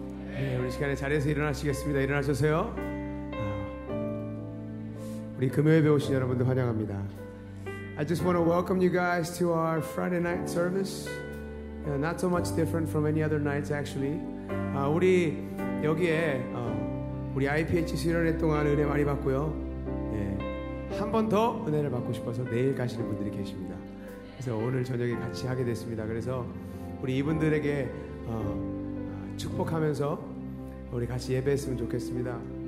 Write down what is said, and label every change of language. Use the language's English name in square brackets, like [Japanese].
[Korean] 네, 우리 시간에 자리에서 일어나시겠습니다. 일어나셔서요. 우리 금요일에 배우신 여러분들 환영합니다. [English] I just want to welcome you guys to our Friday night service. Not so much different from any other nights, actually. [Korean] 우리 여기에 우리 IPH 수련회 동안 은혜 많이 받고요. 네, 한 번 더 은혜를 받고 싶어서 내일 가시는 분들이 계십니다. 그래서 오늘 저녁에 같이 하게 됐습니다. 그래서 우리 이분들에게 축복하면서 우리 같이 예배했으면 좋겠습니다.